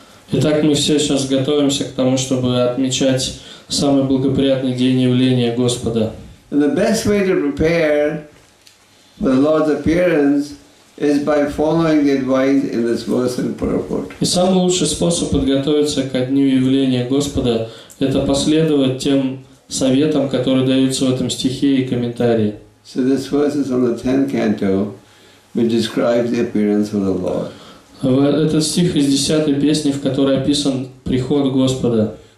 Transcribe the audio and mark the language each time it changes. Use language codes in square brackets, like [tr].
[ru] сейчас готовимся к тому, чтобы отмечать самый благоприятный день явления Господа. [en] And the best way to prepare for the Lord's appearance is by following the advice in this verse in purport. [ru] И самый лучший способ подготовиться ко дню явления Господа – это последовать тем советам, которые даются в этом стихе и комментарии. [en] So this verse is on the 10th canto, which describes the appearance of the Lord. [ru] Этот стих из 10-й песни, в которой описан приход Господа.